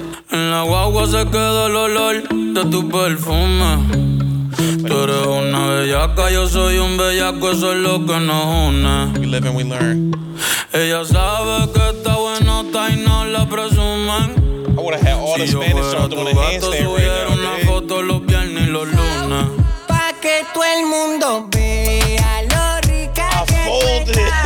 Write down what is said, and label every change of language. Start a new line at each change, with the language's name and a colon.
Spanish: En la guagua se quedó el olor de tu perfume. Tú eres una bellaca, yo soy un bellaco, eso es lo que nos une.
English: We live and we learn.
Spanish: Ella sabe que está bueno, está y no la presumen.
English: I would have had all the Spanish songs doing a handstand right now,
Spanish: una foto los viernes y los lunes. Pa' que todo el mundo vea lo rica que tú estás.